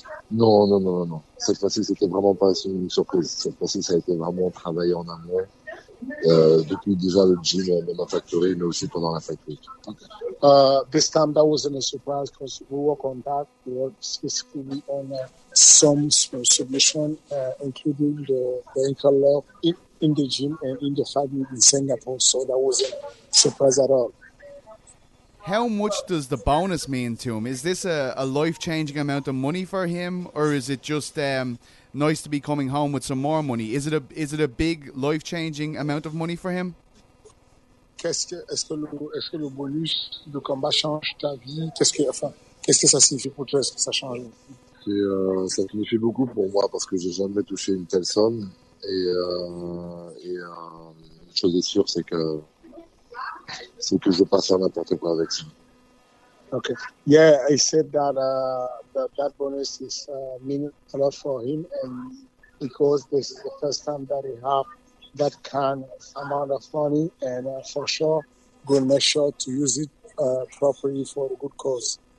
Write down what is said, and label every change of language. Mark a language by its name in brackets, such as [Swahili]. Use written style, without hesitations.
[French] Non. Cette fois-ci, c'était vraiment pas une surprise. Cette fois-ci, ça a été vraiment travaillé en amont. depuis déjà le gym de ma factory, mais aussi pendant la fight week. [English] This time, that wasn't a surprise because we work on that. We work specifically on some submission, including the ankle lock in the gym and in the fight week in Singapore. So that wasn't a surprise at all. How much does the bonus mean to him? Is this a life-changing amount of money for him, or is it just nice to be coming home with some more money? Is it a big life-changing amount of money for him? [French] Est-ce que le bonus de combat change ta vie? Qu'est-ce que ça signifie pour toi? Est-ce que ça change? Ça signifie beaucoup pour moi parce que j'ai jamais touché une telle somme et une chose est sûre, c'est que je passe à n'importe quoi avec ça. [English] Okay. Yeah, I said that that bonus is mean a lot for him, and because this is the first time that he have that kind of amount of money, and for sure, going to make sure to use it properly for a good cause.